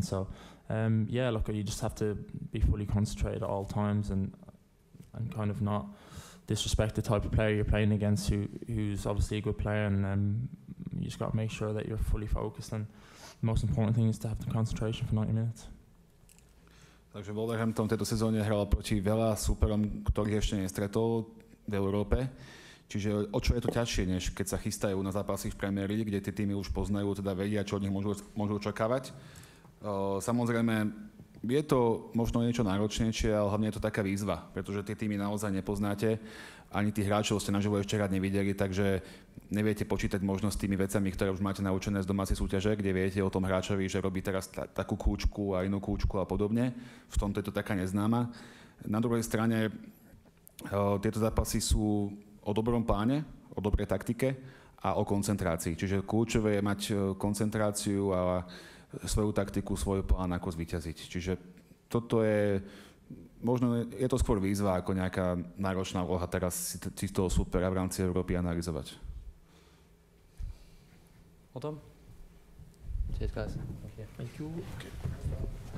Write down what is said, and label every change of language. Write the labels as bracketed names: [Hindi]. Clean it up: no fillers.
[English] So yeah, look, you just have to be fully concentrated at all times and kind of not disrespect the type of player you're playing against, who's obviously a good player, and you just got to make sure that you're fully focused, and the most important thing is to have the concentration for 90 minutes. [Slovak] Takže Wolverhampton tejto sezóne hral proti veľa súperom, ktorých ešte nestretol v Európe. Čiže o čo je to ťažšie, než keď sa chystajú na zápasy v Premier League, kde tie týmy už poznajú, teda vedia, čo od nich môžu očakávať. Samozrejme, je to možno niečo náročnejšie, ale hlavne je to taká výzva, pretože tie týmy naozaj nepoznáte, ani tých hráčov ste naživo ešte rád nevideli, takže neviete počítať možno s tými vecami, ktoré už máte naučené z domácej súťaže, kde viete o tom hráčovi, že robí teraz takú kúčku a inú kúčku a podobne. V tomto je to taká neznáma. Na druhej strane, tieto zápasy sú o dobrom pláne, o dobrej taktike a o koncentrácii. Čiže kľúčové je mať koncentráciu a svoju taktiku, svoj plán, ako zvíťaziť. Čiže toto je, možno je to skôr výzva ako nejaká náročná úloha teraz si toho súpera v rámci Európy analyzovať. O tom? [English] Cheers, guys. Thank you. Okay.